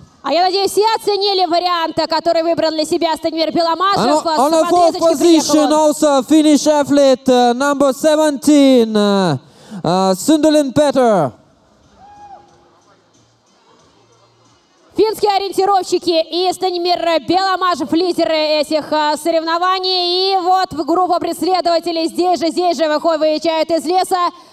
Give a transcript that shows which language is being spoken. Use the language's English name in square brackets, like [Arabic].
[Russian] А я надеюсь, все оценили вариант, который выбрал для себя Станимир Беломажев. [English] On the fourth position also Finnish athlete number 17 Sundelin Petter. [Russian] Финские ориентировщики и Станимир Беломажев, лидеры этих соревнований. И вот в группу преследователей здесь же выезжают из леса.